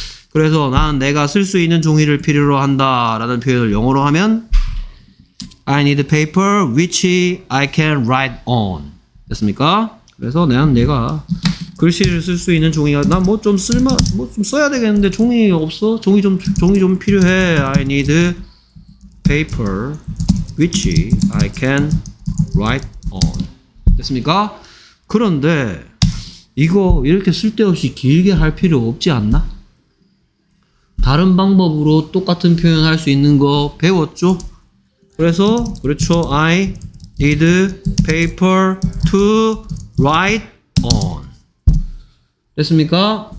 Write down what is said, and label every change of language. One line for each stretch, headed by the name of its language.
Korean: 그래서 난 내가 쓸 수 있는 종이를 필요로 한다 라는 표현을 영어로 하면
English: I need a paper which I can write on.
Korean: 됐습니까? 그래서 난 내가 글씨를 쓸 수 있는 종이가 난 뭐 좀 쓸만 뭐 좀 써야 되겠는데 종이 없어? 종이 좀 필요해.
English: I need a paper which I can write on.
Korean: 됐습니까? 그런데 이거 이렇게 쓸데없이 길게 할 필요 없지 않나? 다른 방법으로 똑같은 표현 할 수 있는 거 배웠죠? 그래서 그렇죠.
English: I need paper to write on.
Korean: 됐습니까?